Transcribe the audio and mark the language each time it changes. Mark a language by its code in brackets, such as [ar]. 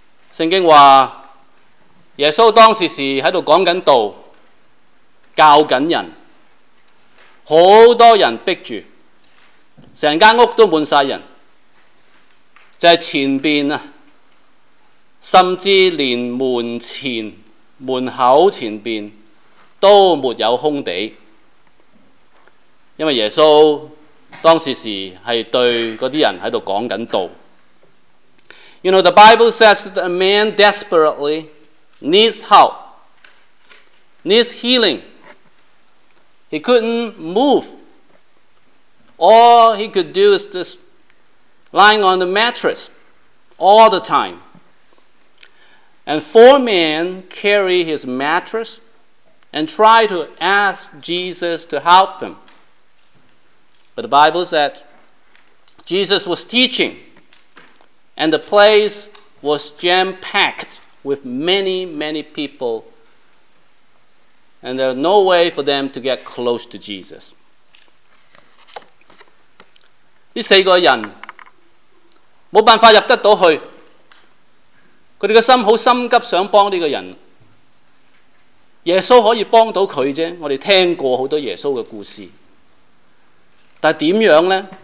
[yue] 圣经说耶稣当时是在讲紧道，教紧人，好多人逼住，成间屋都满晒人，就是前边啊，甚至连门前、门口前边都没有空地，因为耶稣当时是对那些人在讲紧道。 [en] You know, the Bible says that a man desperately needs help, needs healing. He couldn't move. All he could do is just lying on the mattress all the time. And four men carry his mattress and try to ask Jesus to help him. But the Bible said Jesus was teaching, and the place was jam-packed with many, many people. And there was no way for them to get close to Jesus. [yue] 这四个人没办法入得到去，他们的心很心急，想帮这个人。耶稣可以帮到他啫，我们听过很多耶稣的故事。但是怎样呢？